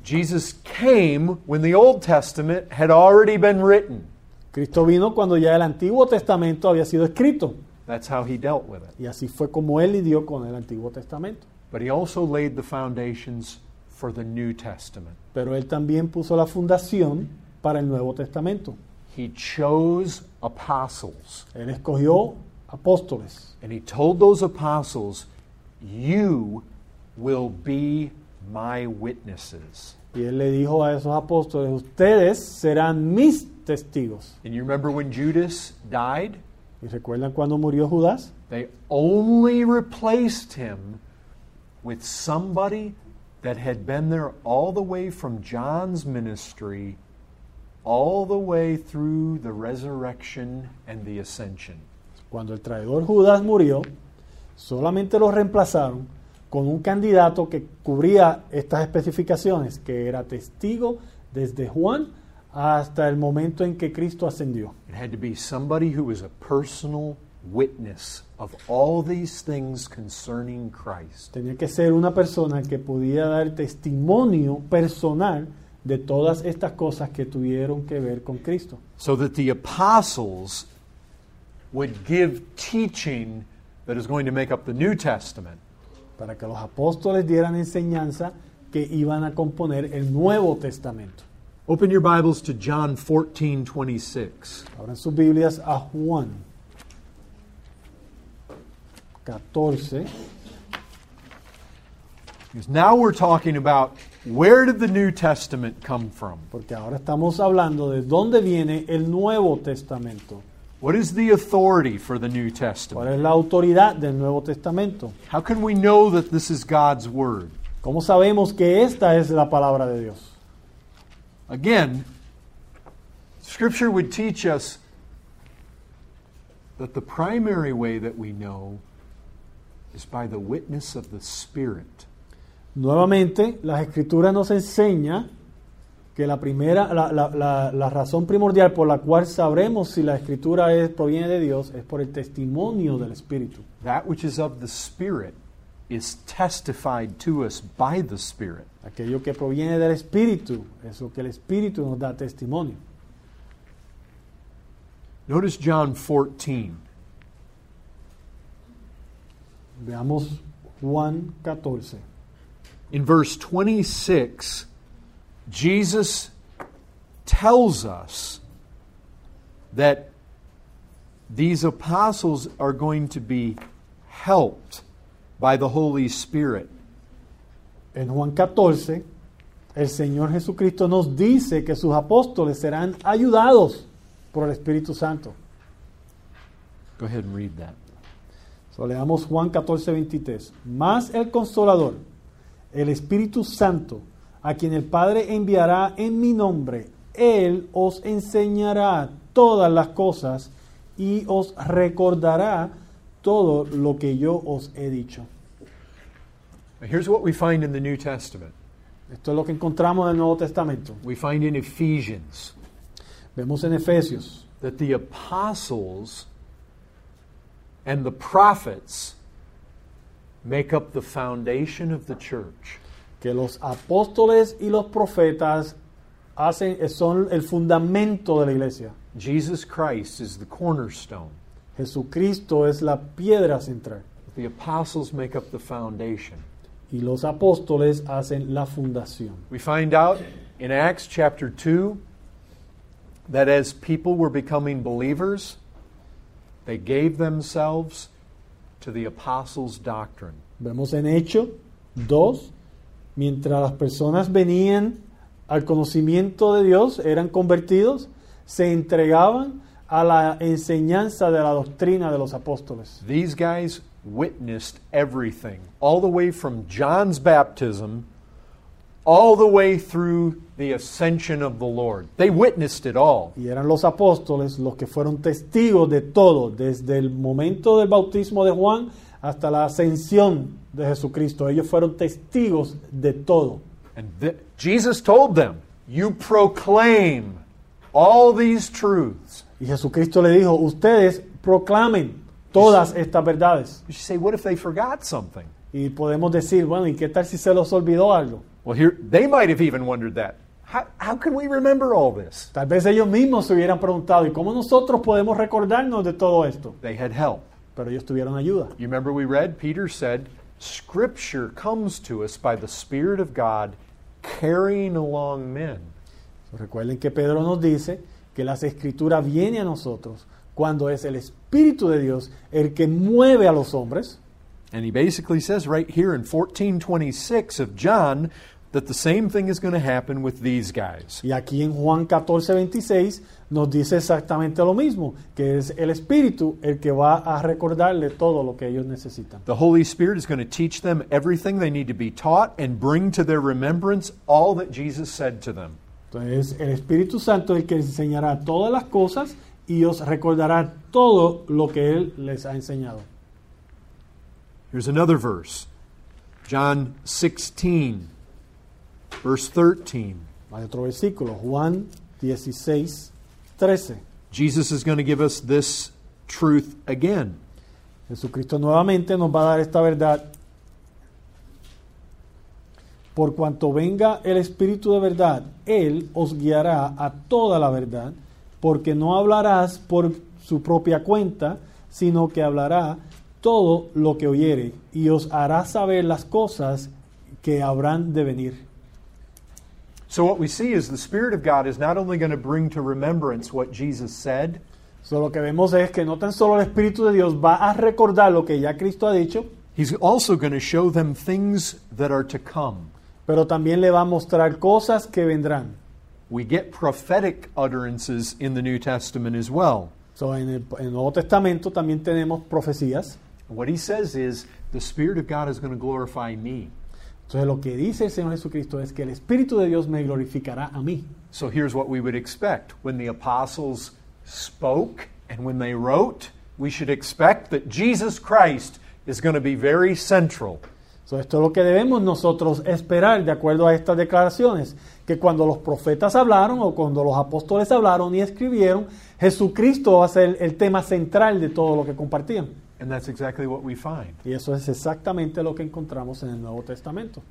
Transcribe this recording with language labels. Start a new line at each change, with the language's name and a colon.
English: Jesus came when the Old Testament had already been written.
Spanish: Cristo vino cuando ya el Antiguo Testamento había sido escrito.
English: That's how he dealt with it.
Spanish: Y así fue como él lidió con el Antiguo Testamento.
English: But he also laid the foundations for the New Testament.
Spanish: Pero él también puso la fundación para el Nuevo Testamento.
English: He chose apostles.
Spanish: Él escogió apóstoles.
English: And he told those apostles, you will be my witnesses.
Spanish: Y él le dijo a esos apóstoles, ustedes serán mis testigos.
English: And you remember when Judas died?
Spanish: ¿Y recuerdan cuando murió Judas?
English: They only replaced him with somebody that had been there all the way from John's ministry, all the way through the resurrection and the ascension.
Spanish: Cuando el traidor Judas murió, solamente lo reemplazaron con un candidato que cubría estas especificaciones, que era testigo desde Juan hasta el momento en que Cristo ascendió.
English: It had to be somebody who was a personal witness of all these things concerning Christ.
Spanish: Tenía que ser una persona que podía dar testimonio personal de todas estas cosas que tuvieron que ver con Cristo.
English: So that the apostles would give teaching that is going to make up the New Testament.
Spanish: Para que los apóstoles dieran enseñanza que iban a componer el Nuevo Testamento.
English: Open your Bibles to John 14:26.
Spanish: Abran sus Biblias a Juan 14.
English: Because now we're talking about where did the New Testament come from?
Spanish: Porque ahora estamos hablando de dónde viene el Nuevo Testamento.
English: What is the authority for the New Testament?
Spanish: ¿Cuál es la autoridad del Nuevo Testamento?
English: How can we know that this is God's word?
Spanish: ¿Cómo sabemos que esta es la palabra de Dios?
English: Again, Scripture would teach us that the primary way that we know is by the witness of the Spirit.
Spanish: Nuevamente, las Escrituras nos enseña que la razón primordial por la cual sabremos si la Escritura proviene de Dios es por el testimonio del Espíritu.
English: That which is of the Spirit is testified to us by the Spirit.
Spanish: Aquello que proviene del Espíritu, eso que el Espíritu nos da testimonio.
English: Notice John 14.
Spanish: Veamos Juan 14.
English: In verse 26, Jesus tells us that these apostles are going to be helped by the Holy Spirit.
Spanish: En Juan 14, el Señor Jesucristo nos dice que sus apóstoles serán ayudados por el Espíritu Santo.
English: Go ahead and read that.
Spanish: So, leamos Juan 14, 23. Más el Consolador, el Espíritu Santo, a quien el Padre enviará en mi nombre, Él os enseñará todas las cosas y os recordará todo lo que yo os he dicho.
English: Here's what we find in the New Testament.
Spanish: Esto es lo que encontramos en el Nuevo Testamento.
English: We find in Ephesians.
Spanish: Vemos en Efesios.
English: That the apostles and the prophets make up the foundation of the church.
Spanish: Que los apóstoles y los profetas son el fundamento de la iglesia.
English: Jesus Christ is the cornerstone.
Spanish: Jesucristo es la piedra central.
English: The apostles make up the foundation.
Spanish: Y los apóstoles hacen la fundación.
English: We find out in Acts chapter 2 that as people were becoming believers, they gave themselves to the apostles' doctrine.
Spanish: Vemos en Hechos 2, mientras las personas venían al conocimiento de Dios, eran convertidos, se entregaban a la enseñanza de la doctrina de los apóstoles.
English: These guys witnessed everything, all the way from John's baptism, all the way through the ascension of the Lord. They witnessed it all.
Spanish: Y eran los apóstoles los que fueron testigos de todo, desde el momento del bautismo de Juan hasta la ascensión de Jesucristo. Ellos fueron testigos de todo.
English: And Jesus told them, "You proclaim all these truths."
Spanish: Y Jesucristo le dijo, "Ustedes proclamen todas estas verdades."
English: You say, what if they forgot something?
Spanish: Y podemos decir, bueno, ¿y qué tal si se los olvidó algo?
English: Well, here, they might have even wondered that. How can we remember all this?
Spanish: Tal vez ellos mismos se hubieran preguntado, ¿y cómo nosotros podemos recordarnos de todo esto?
English: They had help.
Spanish: Pero ellos tuvieron ayuda.
English: You remember we read, Peter said, Scripture comes to us by the Spirit of God carrying along men.
Spanish: Recuerden que Pedro nos dice que las Escrituras vienen a nosotros cuando es el Espíritu de Dios el que mueve a los hombres.
English: And he basically says right here in 14:26 of John that the same thing is going to happen with these guys.
Spanish: Y aquí en Juan 14:26 nos dice exactamente lo mismo, que es el Espíritu el que va a recordarle todo lo que ellos necesitan.
English: The Holy Spirit is going to teach them everything they need to be taught and bring to their remembrance all that Jesus said to them.
Spanish: Entonces, el Espíritu Santo es el que les enseñará todas las cosas y os recordará todo lo que Él les ha enseñado.
English: Here's another verse. John 16, verse 13.
Spanish: Hay otro versículo. Juan 16, 13.
English: Jesus is going to give us this truth again.
Spanish: Jesucristo nuevamente nos va a dar esta verdad. Por cuanto venga el Espíritu de verdad, Él os guiará a toda la verdad. Porque no hablarás por su propia cuenta, sino que hablará todo lo que oyere y os hará saber las cosas que habrán de venir.
English: So what we see is the Spirit of God is not only going to bring to remembrance what Jesus said.
Spanish: So lo que vemos es que no tan solo el Espíritu de Dios va a recordar lo que ya Cristo ha dicho.
English: He's also going to show them things that are to come.
Spanish: Pero también le va a mostrar cosas que vendrán.
English: We get prophetic utterances in the New Testament as well.
Spanish: So en el Nuevo Testamento también tenemos profecías.
English: What he says is, the Spirit of God is going to glorify me.
Spanish: Entonces lo que dice el Señor Jesucristo es que el Espíritu de Dios me glorificará a mí.
English: So here's what we would expect. When the apostles spoke and when they wrote, we should expect that Jesus Christ is going to be very central.
Spanish: So esto es lo que debemos nosotros esperar de acuerdo a estas declaraciones. Que cuando los profetas hablaron o cuando los apóstoles hablaron y escribieron, Jesucristo va a ser el tema central de todo lo que compartían.
English: And that's exactly what we find.
Spanish: Y eso es exactamente lo que encontramos en el Nuevo Testamento.